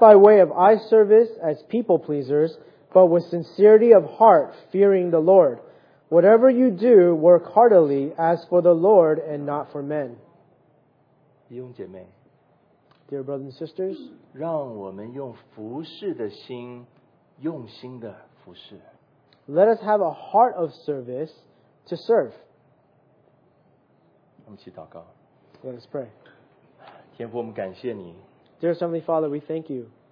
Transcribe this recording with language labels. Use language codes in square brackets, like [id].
[en] by way of eye service as people pleasers, but with sincerity of heart, fearing the Lord. Whatever you do, work heartily as for the Lord and not for men. [zh] 弟兄姐妹, [en] dear brothers and sisters, [zh] 让我们用服侍的心，用心的服侍。Let [en] us have a heart of service to serve. [zh] 我们一起祷告。Let [en] us pray. [zh] 天父，我们感谢你。 [en] Dear Heavenly Father, we thank you.